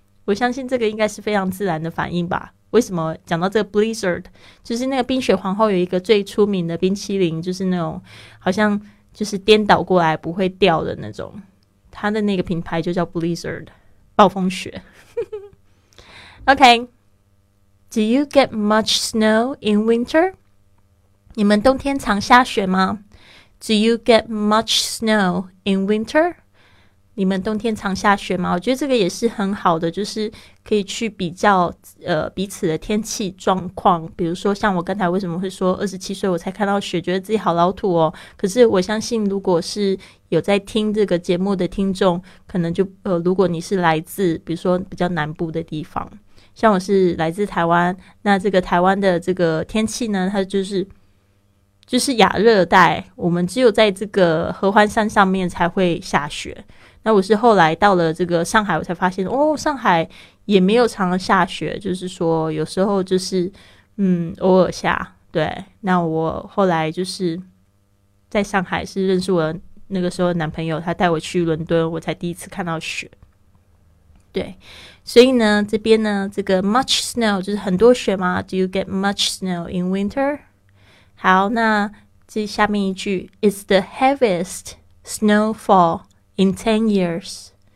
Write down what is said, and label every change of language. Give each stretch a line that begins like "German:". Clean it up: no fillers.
Chinese: 我相信这个应该是非常自然的反应吧。为什么讲到这个 blizzard， 就是那个冰雪皇后有一个最出名的冰淇淋，就是那种好像就是颠倒过来不会掉的那种，它的那个品牌就叫 blizzard，暴风雪。
English: OK, Do you get much snow in winter?
Chinese: 你们冬天常下雪吗？
English: Do you get much snow in winter?
Chinese: 你们冬天常下雪吗？我觉得这个也是很好的，就是可以去比较彼此的天气状况。比如说像我刚才为什么会说27岁我才看到雪，觉得自己好老土哦。可是我相信如果是有在听这个节目的听众，可能就如果你是来自比如说比较南部的地方，像我是来自台湾，那这个台湾的这个天气呢，它就是就是亚热带，我们只有在这个合欢山上面才会下雪。那我是后来到了这个上海，我才发现哦，上海也没有常常下雪，就是说有时候就是偶尔下。对，那我后来就是在上海是认识我那个时候的男朋友，他带我去伦敦，我才第一次看到雪。对，所以呢，这边呢，这个 much snow 就是很多雪吗？
English: Do you get much snow in winter？
Chinese: 好，那这下面一句
English: ，Is the heaviest snowfall in 10 years？